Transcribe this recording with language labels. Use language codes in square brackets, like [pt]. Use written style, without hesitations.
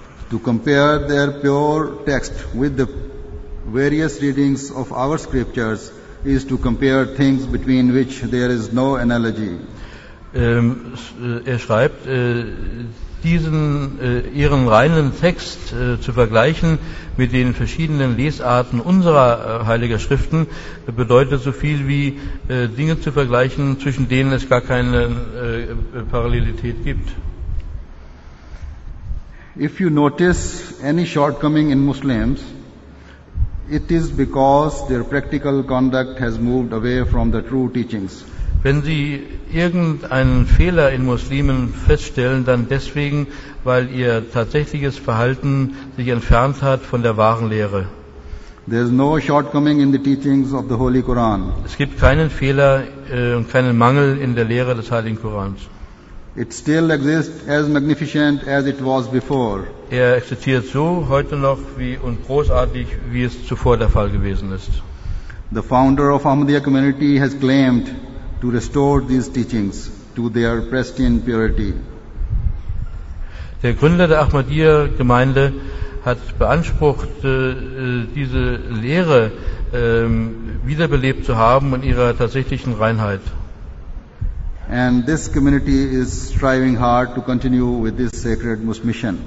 [en] To compare their pure text with the various readings of our scriptures is to compare things between which there is no analogy. [de] Er schreibt, ihren reinen Text zu vergleichen mit den verschiedenen Lesarten unserer heiligen Schriften bedeutet so viel wie Dinge zu vergleichen, zwischen denen es gar keine Parallelität gibt. [en] If you notice any shortcoming in Muslims, It is because their practical conduct has moved away from the true teachings. [de] Wenn sie irgendeinen Fehler in Muslimen feststellen, dann deswegen, weil ihr tatsächliches Verhalten sich entfernt hat von der wahren Lehre. [en] There is no shortcoming in the teachings of the Holy Quran. [de] Es gibt keinen Fehler und keinen Mangel in der Lehre des Heiligen Korans. [en] It still exists as magnificent as it was before. [de] Er existiert so heute noch wie und großartig, wie es zuvor der Fall gewesen ist. [en] The founder of Ahmadiyya community has claimed to restore these teachings to their pristine purity. [de] Der Gründer der Ahmadiyya Gemeinde hat beansprucht, diese Lehre wiederbelebt zu haben in ihrer tatsächlichen Reinheit. [en] And this community is striving hard to continue with this sacred Muslim mission.